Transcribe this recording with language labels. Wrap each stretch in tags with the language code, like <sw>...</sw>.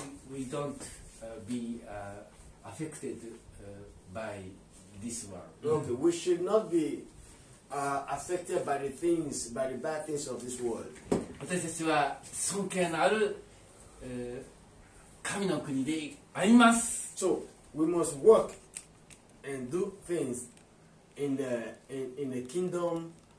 <en>We don't be affected by this world. Okay, we should not be affected by the things, by the bad things of this world.</en> <ja>私たちは尊敬のある神の国であります。</ja> <en>So we must work and do things in the kingdom.</en>